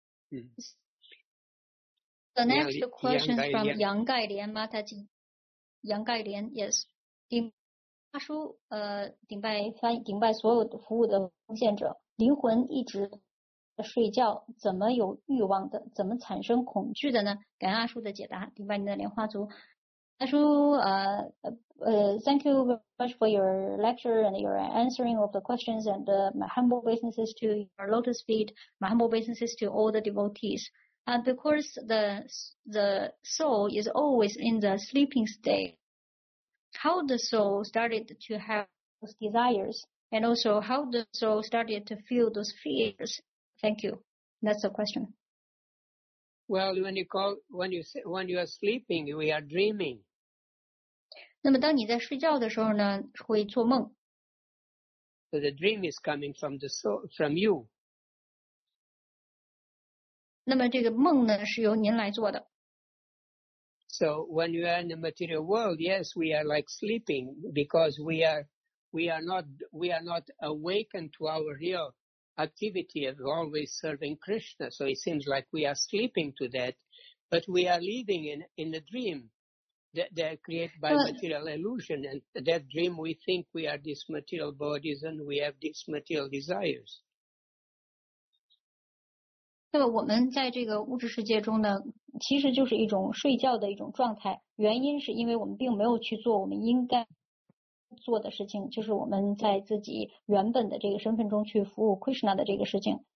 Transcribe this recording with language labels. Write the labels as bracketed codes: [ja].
[en] The next question is from 杨盖莲 Mataji。 [zh] 杨盖莲 ，Yes， 顶大叔，顶拜翻顶拜所有的服务的奉献者，灵魂一直睡觉，怎么有欲望的？怎么产生恐惧的呢？感恩阿叔的解答，顶拜您的莲花族。 [en] 大叔，Thank you very much for your lecture and your answering of the questions and my humble obeisances to your lotus feet, my humble obeisances to all the devotees. And because the soul is always in the sleeping state, how the soul started to have those desires and also how the soul started to feel those fears? Thank you. That's the question. Well, when you are sleeping, we are dreaming. [zh] 那么当你在睡觉的时候呢，会做梦。 [en] So the dream is coming from the soul, from you. [zh] 那么这个梦呢，是由您来做的。 [en] So when you are in the material world, yes, we are like sleeping because we are not awakened to our real activity of always serving Krishna. So it seems like we are sleeping to that, but we are living in a dream. That are created by material illusion, and that dream we think we are these material bodies and we have these material desires. [zh] 那么我们在这个物质世界中呢，其实就是一种睡觉的一种状态。原因是因为我们并没有去做我们应该做的事情，就是我们在自己原本的这个身份中去服务 Krishna 的这个事情。